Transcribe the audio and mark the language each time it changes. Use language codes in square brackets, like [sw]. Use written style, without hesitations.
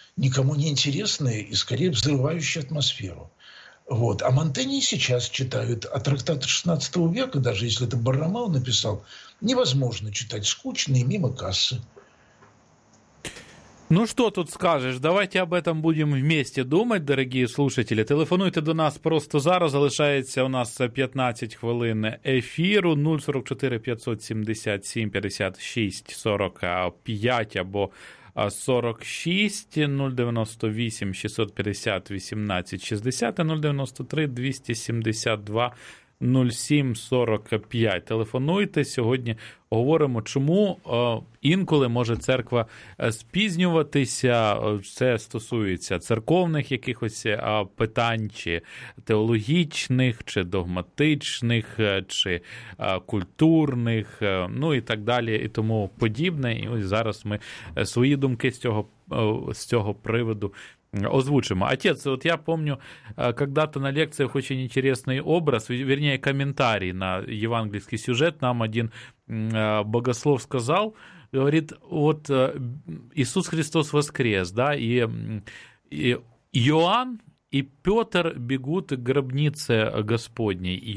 [ru] никому не интересная и скорее взрывающая атмосферу. Вот. А Монтэнь и сейчас читают, а трактаты XVI века, даже если это Баррамал написал, невозможно читать, скучные, мимо кассы. Ну что тут скажешь, давайте об этом будем вместе думать, дорогие слушатели. [uk] Телефонуйте до нас просто зараз, залишається у нас 15 хвилин ефіру, 044-577-56-45 або 46, 098-650-18-60, 093-272-07-45. Телефонуйте, сьогодні говоримо, чому інколи може церква спізнюватися. Це стосується церковних якихось питань, чи теологічних, чи догматичних, чи культурних, ну і так далі, і тому подібне. І ось зараз ми свої думки з цього приводу озвучимо. [ru] Отец, вот я помню, когда-то на лекциях очень интересный образ, вернее, комментарий на евангельский сюжет нам один богослов сказал, говорит, вот Иисус Христос воскрес, да, и Иоанн и Петр бегут к гробнице Господней.